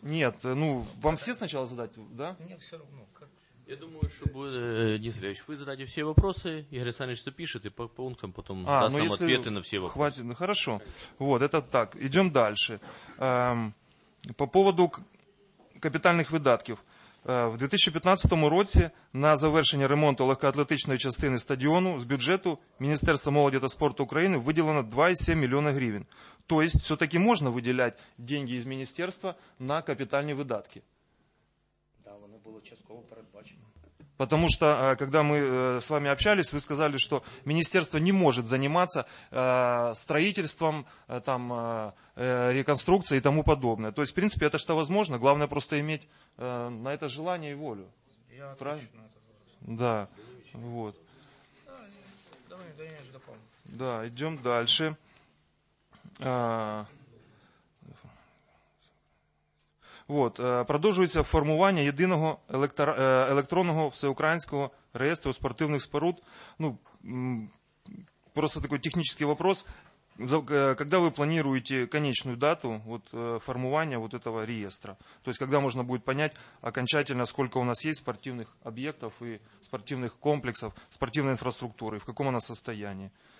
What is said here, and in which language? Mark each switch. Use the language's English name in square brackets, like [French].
[Russian] Нет, ну, вам все сначала задать, да? Мне все равно. Я думаю, что будет, Денис Ильич, вы задайте все вопросы, Игорь Александрович запишет и по пунктам потом даст нам ответы на все вопросы. Хватит, ну, хорошо. Вот, это так. Идем дальше. По поводу капитальных выдатков. [Ukrainian] В 2015 році на завершення ремонту легкоатлетичної частини стадіону з бюджету Міністерства молоді та спорту України виділено 2,7 мільйона гривень. Тобто, все-таки можна виділяти гроші з міністерства на капітальні видатки? Так, вони були частково передбачені. [Russian] Потому что, когда мы с вами общались, вы сказали, что министерство не может заниматься строительством, там, реконструкцией и тому подобное. То есть, в принципе, это что возможно, главное просто иметь на это желание и волю. Я правильно? Отвечу на этот вопрос. Да, вот. Давай, дополню. Да, идем дальше. [Ukrainian] Вот, продовжується формування єдиного електронного всеукраїнського реєстру спортивних споруд. [Russian] Ну, просто такой технический вопрос. Когда вы планируете конечную дату вот, формування вот этого реестра? То есть, когда можно будет понять окончательно, сколько у нас есть спортивных объектов и спортивных комплексов, спортивной инфраструктуры, в каком она состоянии?